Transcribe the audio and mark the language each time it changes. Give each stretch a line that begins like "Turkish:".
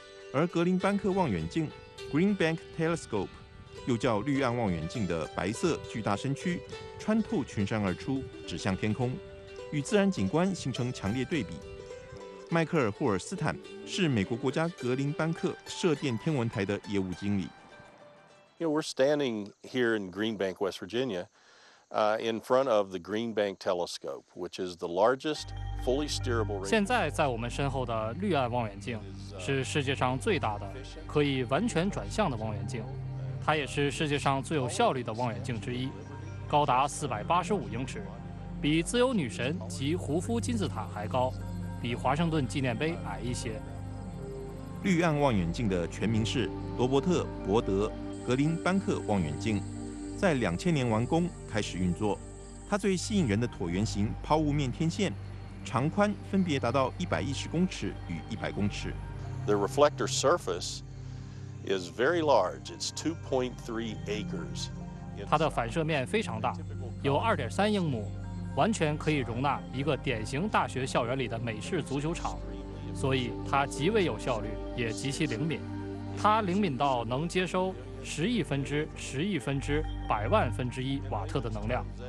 Chinese: 而格林班克望远镜 Green Bank Telescope 又叫绿岸望远镜的白色巨大身躯穿透群山而出，指向天空，与自然景观形成强烈对比。迈克尔·霍尔斯坦是美国国家格林班克射电天文台的业务经理。
English: We're standing here in Green Bank, West Virginia, in front of the Green Bank Telescope, which is the largest fully steerable.
Chinese: 现在在我们身后的绿岸望远镜是世界上最大的可以完全转向的望远镜，它也是世界上最有效率的望远镜之一，高达485英尺，比自由女神及胡夫金字塔还高，比华盛顿纪念碑矮一些。绿岸望远镜的全名是罗伯特·伯德·格林班克望远镜，在2000年完工开始运作。它最吸引人的椭圆形抛物面天线，长宽分别达到110公尺与100公尺。
English: The reflector surface is very large. It's 2.3 acres.
Chinese: 它的反射面非常大，有2.3英亩。完全可以容纳一个典型大学校园里的美式足球场，所以它极为有效率，也极其灵敏。它灵敏到能接收10亿分之10亿分之100万分之1瓦特的能量。